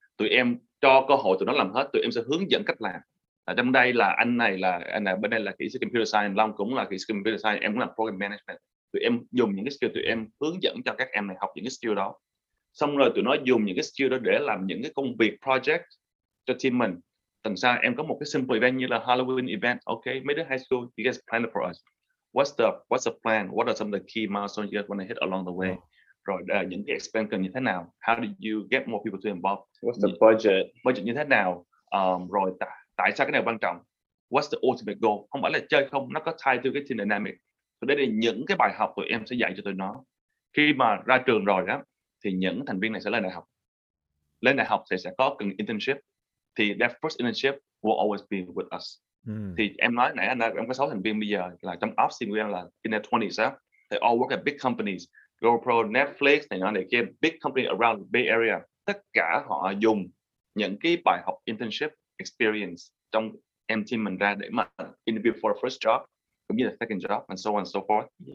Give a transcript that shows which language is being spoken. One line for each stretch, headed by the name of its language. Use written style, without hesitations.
Vietnamese: Tụi em cho cơ hội tụi nó làm hết, tụi em sẽ hướng dẫn cách làm. Trong đây là anh này bên đây là kỹ sư computer science, Long cũng là kỹ sư computer science, em cũng là program management. Tụi em dùng những cái skill, tụi em hướng dẫn cho các em này học những cái skill đó. Xong rồi tụi nó dùng những cái skill đó để làm những cái công việc project cho team mình. Tầng sau em có một cái simple event như là Halloween event.
English: Ok, mấy đứa high school, you guys plan it for us. What's the plan? What are some of the key milestones you guys want to hit along the way?
Vietnamese: Rồi những cái expense như thế nào?
English: How do you get more people to involve? What's the budget?
Vietnamese: Budget như thế nào? Rồi tại sao cái này quan trọng? What's the ultimate goal? Không phải là chơi không, nó có tie to cái team dynamic. Đây là những cái bài học tụi em sẽ dạy cho tụi nó. Khi mà ra trường rồi đó, thì những thành viên này sẽ lên đại học. Lên đại học thì sẽ có cần internship.
English: Thì that first internship will always be with us.
Vietnamese: Thì em nói nãy anh em có 6 thành viên bây giờ là trong off sinh viên là in their 20s á.
English: They all work at big companies. GoPro, Netflix, này nọ này kia, big company around Bay Area.
Vietnamese: Tất cả họ dùng những cái bài học internship experience trong em team mình ra để mà interview for the first job, cũng như là second job and so on and so forth.